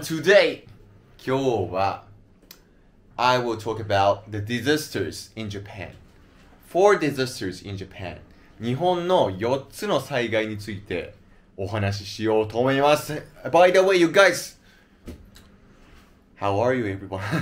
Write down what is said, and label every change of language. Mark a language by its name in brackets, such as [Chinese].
[English] Today, [Japanese] 今日は、 [English] I will talk about the disasters in Japan. Four disasters in Japan. [Japanese] 日本の4つの災害についてお話ししようと思います。 [English] By the way, you guys, how are you, everyone?